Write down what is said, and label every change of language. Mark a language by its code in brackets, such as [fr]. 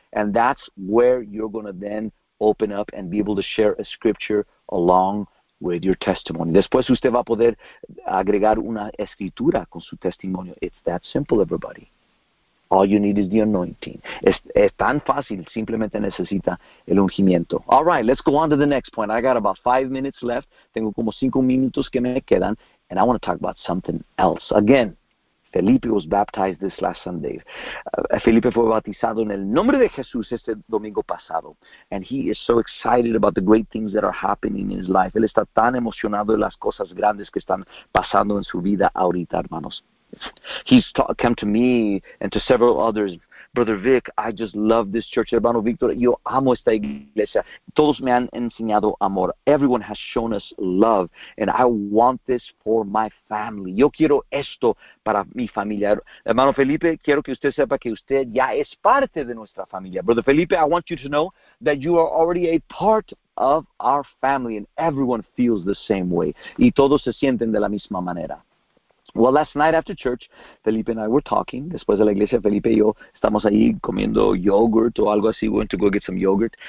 [en] And that's where you're going to then open up and be able to share a scripture along with your testimony. [es] Después usted va a poder agregar una escritura con su testimonio. [en] It's that simple, everybody. All you need is the anointing. [es] Es tan fácil. Simplemente necesita el ungimiento. [en] All right, let's go on to the next point. I got about 5 minutes left. [es] Tengo como 5 minutos que me quedan. [en] And I want to talk about something else. Again, Felipe was baptized this last Sunday. [es] Felipe fue bautizado en el nombre de Jesús este domingo pasado. [en] And he is so excited about the great things that are happening in his life. [es] Él está tan emocionado de las cosas grandes que están pasando en su vida ahorita, hermanos. [en] He's come to me and to several others. Brother Vic, I just love this church. [es] Hermano Victor, yo amo esta iglesia. Todos me han enseñado amor. [en] Everyone has shown us love. And I want this for my family. [es] Yo quiero esto para mi familia. Hermano Felipe, quiero que usted sepa que usted ya es parte de nuestra familia. [en] Brother Felipe, I want you to know that you are already a part of our family. And everyone feels the same way. [es] Y todos se sienten de la misma manera. [en] Well, last night after church, Felipe and I were talking. [es] Después de la iglesia, Felipe y yo estamos ahí comiendo yogurt o algo así. [en] We went to go get some yogurt.